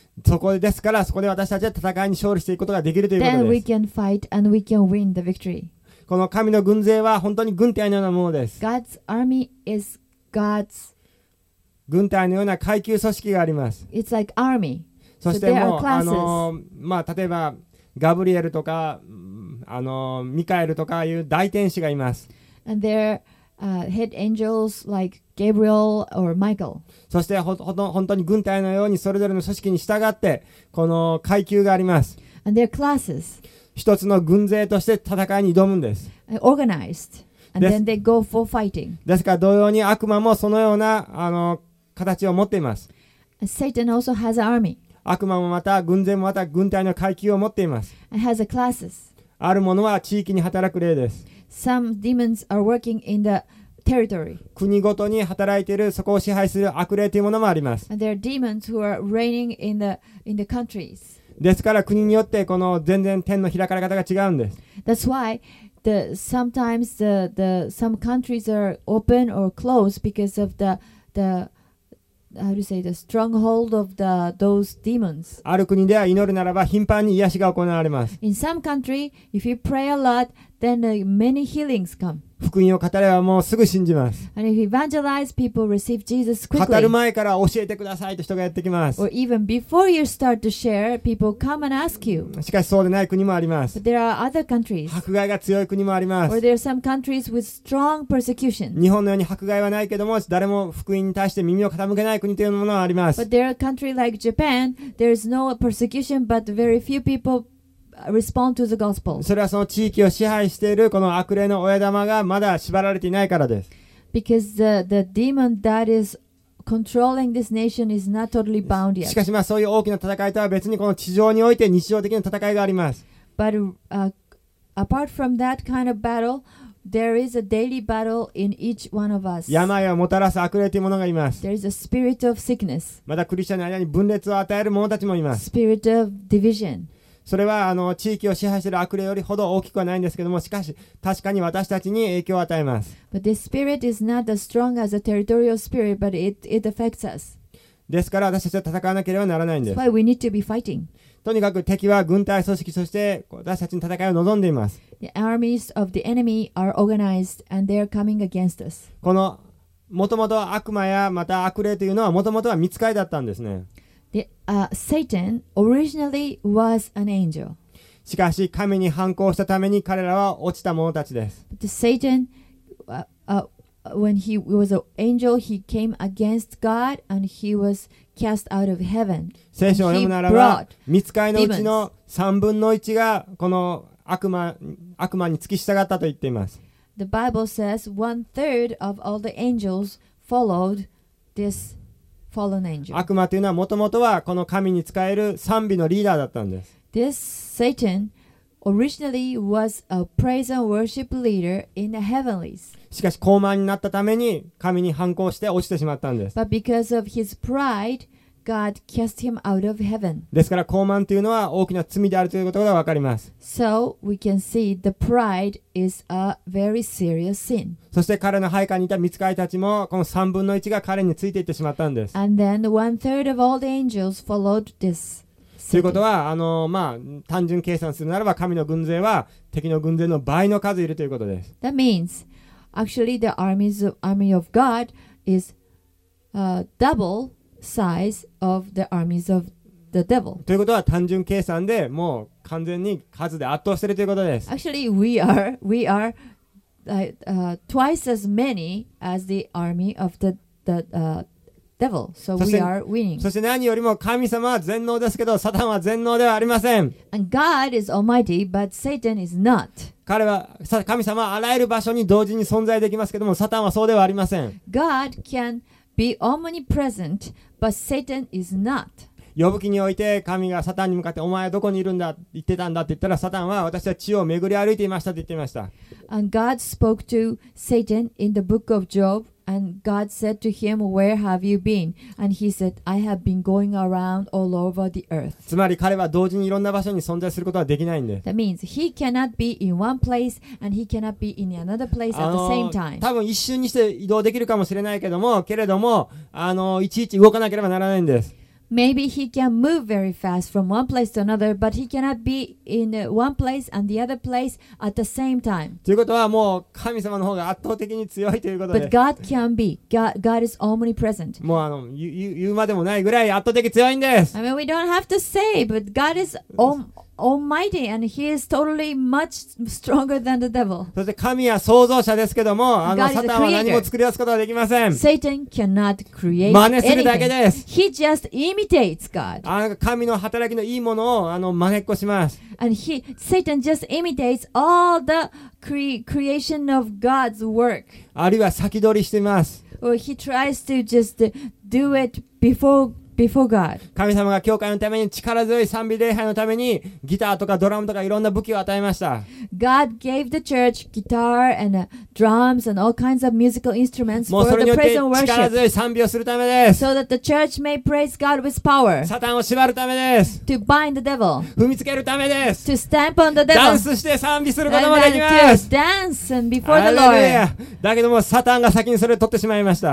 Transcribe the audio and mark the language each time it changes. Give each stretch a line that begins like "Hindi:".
Japanese: そこですから、そこで私たちは戦いに勝利していくことができるということです。
English: Then we can fight and we can win the victory.
Japanese: この神の軍勢は本当に軍隊のようなものです。
English: God's army is God's.
Japanese: 軍隊のような階級組織があります。
English: It's like army.
Japanese: そしてもう、例えばガブリエルとか、ミカエルとかいう大天使がいます。
English: And they're, head angels like Gabriel or Michael.
Japanese: そして本当に軍隊のようにそれぞれの組織に従ってこの階級があります。
English: And they're classes.
Japanese: 一つの軍勢として戦いに挑むんです。
English: Organized. And then they go for fighting.
Japanese: ですから同様に悪魔もそのようなあの形を持っています。
English: Satan also has an army.
Japanese: 悪魔もまた軍勢もまた軍隊の階級を持っています。
English: It has a classes.
Japanese: あるものは地域に働く霊です。
English: Some demons are working in the territory.
Japanese: 国ごとに働いているそこを支配する悪霊というものもあります。
English: And there are demons who are reigning in the countries.
Japanese: ですから国によってこの全然天の開かれ方が違うんです。
English: That's why. Sometimes the some countries are open or closed because of the how do you say the stronghold of the those demons.
Japanese: ある国では祈るならば頻繁に癒しが行われます。
English: In some country, if you pray a lot, then many healings come.
Japanese: 福音を語ればもうすぐ信じます。
English: And if you evangelize, people receive Jesus quickly.
Japanese: 語る前から教えてくださいと人がやってきます。
English: Or even before you start to share, people come and ask you.
Japanese: しかしそうでない国もあります。
English: But there are other countries.
Japanese: 迫害が強い国もあります。
English: Or there are some countries with strong persecution.
Japanese: 日本のように迫害はないけども、誰も福音に対して耳を傾けない国というものはあります。
English: But there are countries like Japan, there is no persecution, but very few peopleRespond to the gospel.
Japanese: それはその地域を支配しているこの悪霊の親玉がまだ縛られていないからです。
English: Because the demon that is controlling this nation is not totally bound yet.
Japanese: しかしまあそういう大きな戦いとは別にこの地上において日常的な戦いがあります。
English: But apart from that kind of battle, there is a daily battle in each one of us.
Japanese: 病をもたらす悪霊というものがいます。
English: There is a spirit of sickness.
Japanese: またクリスチャンの間に分裂を与える者たちもいます。
English: Spirit of division.
Japanese: それはあの地域を支配している悪霊よりほど大きくはないんですけども、しかし確かに私たちに影響を与えます。
English: But this spirit is not as strong as a territorial spirit, but it affects us.
Japanese: ですから私たちは戦わなければならないんです。
English: That's why we need to be fighting.
Japanese: とにかく敵は軍隊組織、そして私たちに戦いを望んでいます。
English: The armies of the enemy are organized and they are coming against us.
Japanese: このもともと悪魔やまた悪霊というのはもともとは御使いだったんですね。
English: Satan originally was an angel.
Japanese: しかし神に反抗したために彼らは落ちた者たちです。
English: Satan, when he was an angel, he came against God and he was cast out of heaven.
Japanese: 聖書を読むならば、御使いのうちの3分の1がこの悪魔に付き従ったと言っています。
English: The Bible says one third of all the angels followed this. Fallen angel.
Japanese: 悪魔というのはもともとはこの神に仕える賛美のリーダーだったんです。
English: This Satan originally was a praise and worship leader in the heavenlies.
Japanese: しかし高慢になったために神に反抗して落ちてしまったんです。
English: But because of his pride, God cast him out of heaven.
Japanese: ですから高慢というのは大きな罪であるということがわかります。
English: So we can see the pride is a very serious sin.
Japanese: そして彼の配下にいた御使いたちもこの3分の1が彼についていってしまったんです。
English: And then one third of all the angels followed this.
Japanese: ということは単純計算するならば神の軍勢は敵の軍勢の倍の数いるということです。
English: That means actually the army of God is double. Size of the armies of the devil.
Japanese: ということは単純計算でもう完全に数で圧倒しているということです。
English: Actually, we are twice as many as the army of the devil. So we are winning.
Japanese: そして何よりも神様は全能ですけど、サタンは全能ではありません。
English: And God is almighty, but Satan is not.
Japanese: 彼は神様はあらゆる場所に同時に存在できますけども、サタンはそうではありません。
English: God can be omnipresent, but Satan is not.
Japanese: 呼ぶ気において神がサタンに向かってお前はどこにいるんだ言ってたんだって言ったら、サタンは私は地を巡り歩いていましたって言ってました。
English: And God spoke to Satan in the book of Job, and God said to him, where have you been? And he said, I have been going around all over the earth.
Japanese: つまり彼は同時にいろんな場所に存在することはできないんで。
English: That means he cannot be in one place and he cannot be in another place at the same time.
Japanese: 多分一瞬にして移動できるかもしれないけども、けれどもいちいち動かなければならないんです。
English: Maybe he can move very fast from one place to another, but he cannot be in one place and the other place at the same time.
Japanese: ということはもう神様の方が圧倒的に強いということで。
English: But God can be. God is omnipresent.
Japanese: もう言うまでもないぐらい圧倒的強いんです。
English: I mean, we don't have to say, but God is almighty and he is totally much stronger than the devil.
Japanese: そして神は創造者ですけども、サタンは何も作り出すことはできません。
English: Satan cannot create anything.
Japanese: 真似するだけです。
English: He just imitates God.
Japanese: 神の働きのいいものを真似っこします。
English: And Satan just imitates all the creation of God's work.
Japanese: あるいは先取りしています。
English: Or he tries to just do it before God.
Japanese: 神様が教会のために力強い賛美礼拝のためにギターとかドラムとかいろんな武器を与えました。
English: God gave the church guitar and drums and all kinds of musical instruments for the praise and worship.
Japanese: もうそれによって力強い賛美をするためです。
English: So that the church may praise God with power.
Japanese: サタンを縛るためです。
English: To bind the devil.
Japanese: 踏みつけるためです。
English: To stamp on the devil.
Japanese: ダンスして賛美することもできます。
English: And to dance before the Lord.
Japanese: だけどもサタンが先にそれを取ってしまいました。